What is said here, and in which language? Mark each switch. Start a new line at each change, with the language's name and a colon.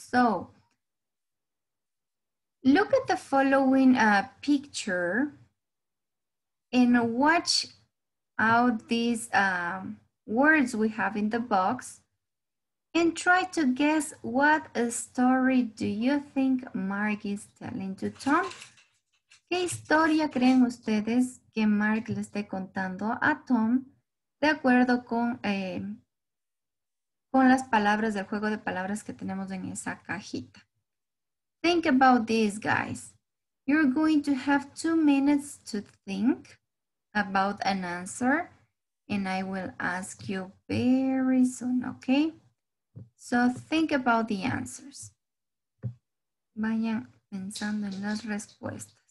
English: So, look at the following picture and watch out these words we have in the box. And try to guess what a story do you think Mark is telling to Tom?
Spanish: ¿Qué historia creen ustedes que Mark le esté contando a Tom de acuerdo con las palabras del juego de palabras que tenemos en esa cajita?
English: Think about this, guys. You're going to have 2 minutes to think about an answer and I will ask you very soon, okay? So think about the answers. Vayan pensando en las respuestas.